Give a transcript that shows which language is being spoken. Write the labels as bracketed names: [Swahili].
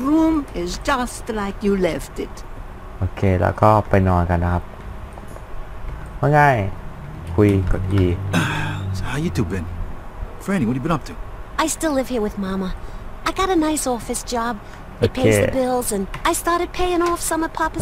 [English] room is just like you left it. [Thai] โอเคแล้วก็ไปนอนกันนะครับว่าไงคุยกับอี [English] so how you two been Franny what have you been up to I still live here with Mama I got a nice office job it pays the bills and I started paying off some of Papa's debts